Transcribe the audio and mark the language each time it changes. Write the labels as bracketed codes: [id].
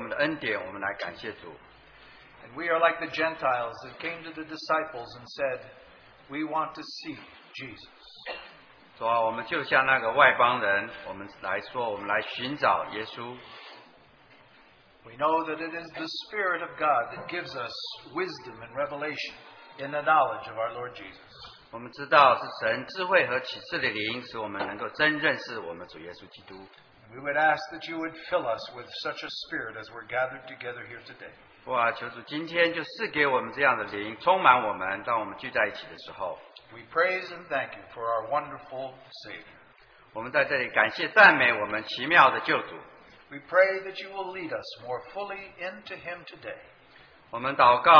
[en] And we are like the Gentiles that came to the disciples and said, we want to see Jesus. [zh] 主啊, 我们就像那个外邦人, 我们来说, [en] we know that it is the Spirit of God that gives us wisdom and revelation in the knowledge of our Lord Jesus. [zh] 我们知道是神智慧和启示的灵使我们能够真认识我们主耶稣基督。 [en] We would ask that you would fill us with such a spirit as we're gathered together here today. [zh] 哇,求主今天就赐给我们这样的灵,充满我们,当我们聚在一起的时候。 [en] We praise and thank you for our wonderful Savior. [zh] 我们在这里感谢赞美我们奇妙的救主。 [en] We pray that you will lead us more fully into Him today.